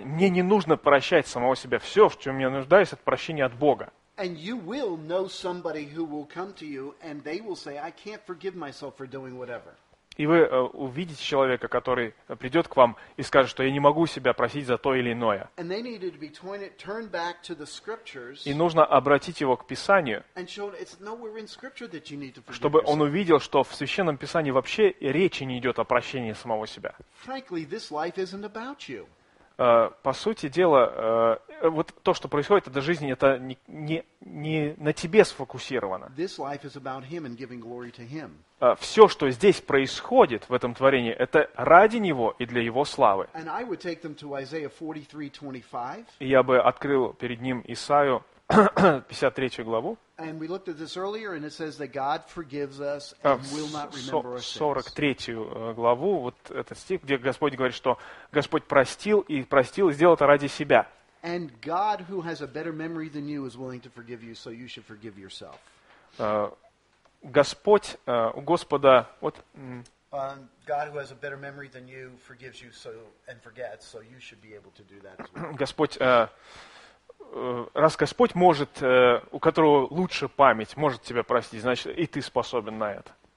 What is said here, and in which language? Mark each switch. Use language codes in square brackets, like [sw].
[ru] Мне не нужно прощать самого себя. Все, в чем я нуждаюсь, это прощение от Бога. [en] And you will know somebody who will come to you, and they will say, "I can't forgive myself for doing whatever." [ru] И вы увидите человека, который придет к вам и скажет, что я не могу себя простить за то или иное. [en] And they needed to be turned back to the scriptures. [ru] И нужно обратить его к Писанию, [en] and show it's nowhere in scripture that you need to forgive [ru] чтобы он увидел, что в Священном Писании вообще речи не идет о прощении самого себя. [en] Frankly, this life isn't about you. [ru] По сути дела, вот то, что происходит, эта жизнь, это не на тебе сфокусировано. [en] This life is about him and giving glory to him. [ru] Все, что здесь происходит в этом творении, это ради него и для его славы. [en] And I would take them to Isaiah 43:25. [ru] Я бы открыл перед ним Исаию 53 главу. [en] And we looked at this earlier, and it says that God forgives us and will not remember our sins. [ru] 43 главу, вот этот стих, где Господь говорит, что Господь простил и простил, и сделал это ради себя. [en] And God, who has a better memory than you, is willing to forgive you, so you should forgive yourself. [ru] Господь, у Господа, вот... [en] God, who has a better memory than you, forgives you so and forgets, so you should be able to do that as well. [ru] Раз Господь может, у которого лучше память, может тебя простить, значит, и ты способен на это.